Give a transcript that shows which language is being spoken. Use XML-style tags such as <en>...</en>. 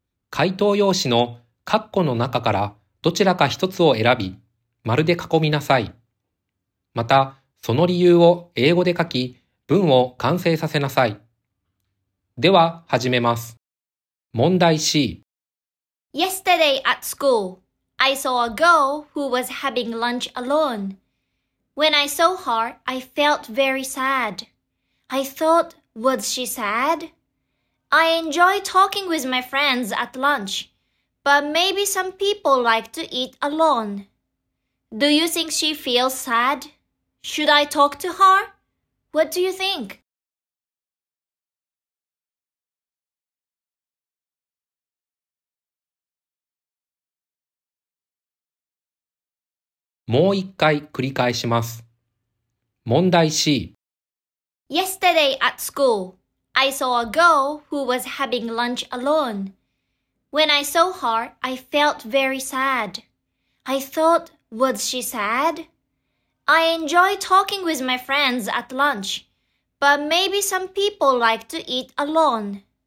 <ja>回答用紙の括弧の中からどちらか一つを選び、丸で囲みなさい。またその理由を英語で書き、文を完成させなさい。では始めます。問題 C。</ja> <en>Yesterday at school, I saw a girl who was having lunch alone. When I saw her, I felt very sad. I thought, was she sad? I enjoy talking with my friends at lunch, but maybe some people like to eat alone. Do you think she feels sad? Should I talk to her? What do you think?</en> <ja>もう一回繰り返します。問題 C。</ja> <en>Yesterday at school, I saw a girl who was having lunch alone. When I saw her, I felt very sad. I thought, was she sad? I enjoy talking with my friends at lunch, but maybe some people like to eat alone.</en>